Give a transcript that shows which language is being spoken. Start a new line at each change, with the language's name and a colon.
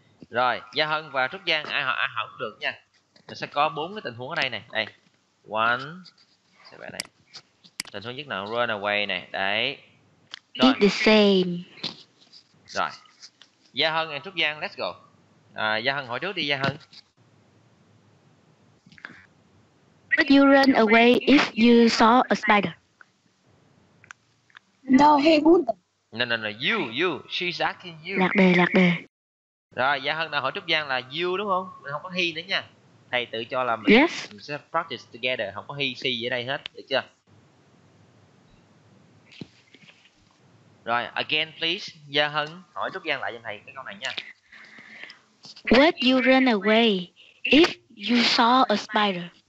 Vietnamese: Rồi, Gia Hân và Trúc Giang ai hỏi cũng được nha. Mình sẽ có 4 cái tình huống ở đây này. Đây, one, vậy này. Tần số nhất nào run away này, đấy.
English: Rồi. It's the same. Rồi. Gia Hân and Trúc Giang, let's go.
Vietnamese: À, Gia Hân hỏi trước đi, Gia Hân.
English: Would you run away if you saw a spider? No, he wouldn't. No, no, no, you, you, she's asking you.
Vietnamese: Lạc đề, lạc đề. Rồi, Gia Hân nào hỏi Trúc Giang là you đúng không? Mình không có he nữa nha. Thầy tự cho là mình,
English: yes,
Vietnamese: mình sẽ practice together, không có he, she ở đây hết, được chưa? Rồi,
English: again please,
Vietnamese: Gia Hân hỏi Trúc Giang lại cho thầy cái câu này nha.
English: Would you run away if you saw a spider?